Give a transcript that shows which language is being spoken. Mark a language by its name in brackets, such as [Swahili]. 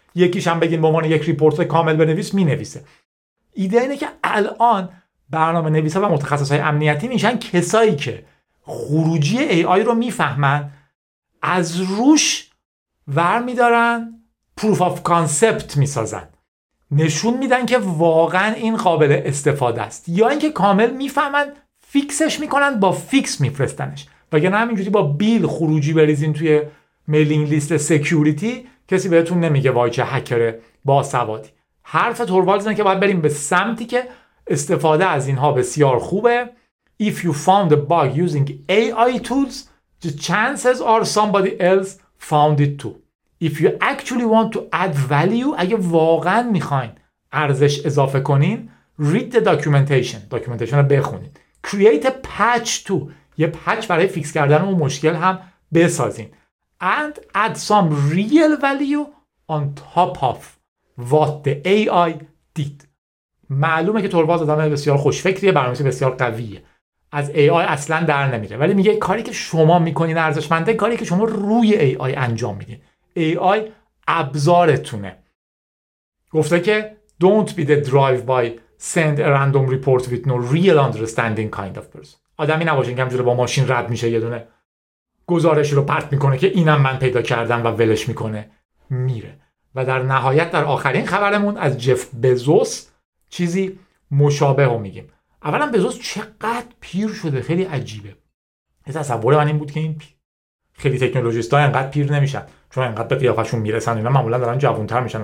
[Persian] یکیش هم بگین به عنوان یک ریپورت کامل بنویس، مینویسه. ایده اینه که الان برنامه نویسا و متخصصای امنیتی میشن کسایی که خروجی AI رو میفهمن، از روش ور میدارن، پروف آف کانسپت میسازن، نشون میدن که واقعا این قابل استفاده است، یا اینکه کامل میفهمن فیکسش میکنن، با فیکس میفرستنش. وگرنه همینجوری با بیل خروجی بریزین توی میلینگ لیست سکیوریتی، کسی بهتون نمیگه وای چه هکر با سوادی. حرف توروالدز اینه که باید بریم به سمتی که استفاده از اینها بسیار خوبه. [English] If you found a bug using AI tools, the chances are somebody else found it too. If you actually want to add value, [Persian] اگه واقعا میخواین ارزش اضافه کنین، [English] read the documentation، [Persian] داکیومنتیشن رو بخونین. [English] Create a patch too، [Persian] یه پچ برای فیکس کردن اون مشکل هم بسازین. [English] And add some real value on top of what the AI did. [Persian] معلومه که تورواز آدم بسیار خوشفکریه، برنامه‌نویس بسیار قویه، از AI اصلا در نمیره، ولی میگه کاری که شما میکنین ارزشمنده، کاری که شما روی AI انجام میدین. AI ابزارتونه. گفته که [English] don't be the drive by send a random report with no real understanding kind of person. [Persian] آدمی نباشین که همجوره با ماشین رد میشه یه دونه گزارش رو پرت میکنه که اینم من پیدا کردم و ولش میکنه میره. و در نهایت در آخرین خبرمون از جف بزوس چیزی مشابه رو میگیم. اولا بزوس چقدر پیر شده، خیلی عجیبه. از تصور من این بود که این خیلی تکنولوژیست ها اینقدر پیر نمیشن، چون اینقدر به قیافشون میرسن، اینا معمولا دارن جوانتر میشن.